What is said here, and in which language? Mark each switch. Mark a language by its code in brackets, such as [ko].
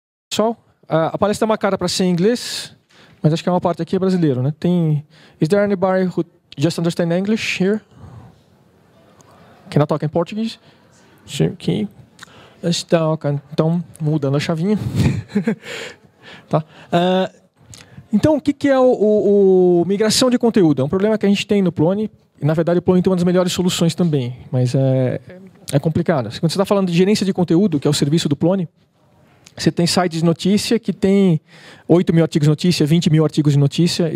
[pt] Pessoal, a palestra tem uma cara para ser em inglês, mas acho que é uma parte aqui é brasileiro, né? Tem. [en] Is there anybody who just understand English here? Can I talk in Portuguese? [pt] Sim, aqui. Então, mudando a chavinha. Tá. Então, o que, que é o migração de conteúdo? É um problema que a gente tem no Plone. E, na verdade, o Plone tem uma das melhores soluções também, mas é complicado. Quando você está falando de gerência de conteúdo, que é o serviço do Plone, você tem sites de notícia que tem 8 mil artigos de notícia, 20 mil artigos de notícia.